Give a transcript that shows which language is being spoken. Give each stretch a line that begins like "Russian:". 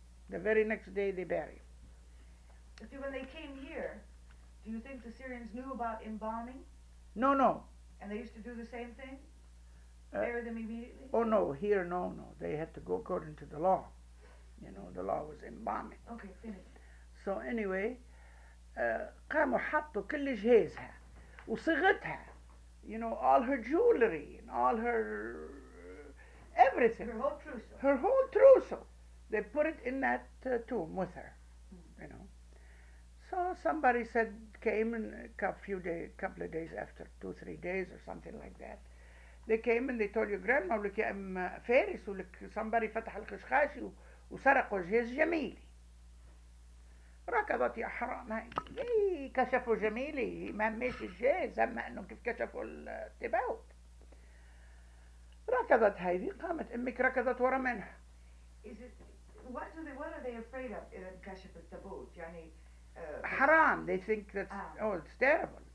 English: The very next day, they bury him. See, when they came here, do you think the Syrians knew about embalming? No, no. And they used to do the same thing? Bury them immediately? Oh, no. Here, no, no. They had to go according to the law. You know, the law was embalming. Okay, finish. So anyway,
Arabic: قاموا حطوا كل جهازها وصغتها.
English: You know, all her jewelry and all her... Everything. Her whole trousseau. Her whole trousseau. They put it in that tomb with her, you know. So somebody said, came in couple of days after, two, 3 days or something like that. They came and they told your grandma, look, I'm Faris, look, somebody
Arabic: فتح الخشخاشي وسرقوا جهاز جميلي. ركضت يا حرام هاي. كشفوا جميلي. ما مش الجهاز. أما أنه كيف كشفوا التباوت. ركضت هذه قامت أمك ركضت ورا منها.
English: What are they afraid of in
Arabic: كشف التابوت يعني؟ حرام.
English: They think that's oh it's terrible.